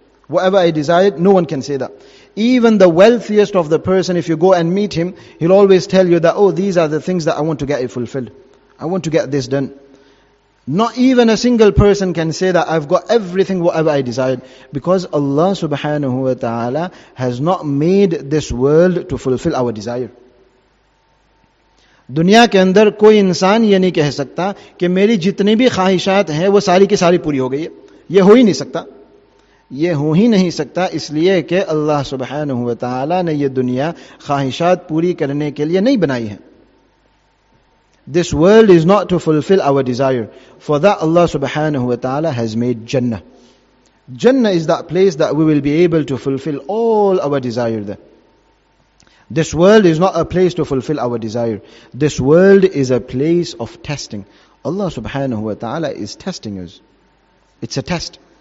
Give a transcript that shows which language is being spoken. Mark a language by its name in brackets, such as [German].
[English] Whatever I desired, no one can say that. Even the wealthiest of the person, if you go and meet him, he'll always tell you that, oh, these are the things that I want to get it fulfilled. I want to get this done. Not even a single person can say that I've got everything, whatever I desired. Because Allah subhanahu wa ta'ala has not made this world to fulfill our desire. [Urdu] دنیا کے اندر کوئی انسان یہ نہیں کہہ سکتا کہ میری جتنی بھی خواہشات ہیں وہ ساری کی ساری پوری ہو گئی ہے. یہ ہو ہی نہیں سکتا. یہ ہو ہی نہیں سکتا اس لیے کہ اللہ سبحانہ وتعالی نے یہ دنیا خواہشات پوری کرنے کے لیے نہیں بنائی ہے. [English] This world is not to fulfill our desire. For that Allah سبحانہ وتعالی has made Jannah. Jannah is that place that we will be able to fulfill all our desire there. This world is not a place to fulfill our desire. This world is a place of testing. Allah subhanahu wa ta'ala is testing us. It's a test.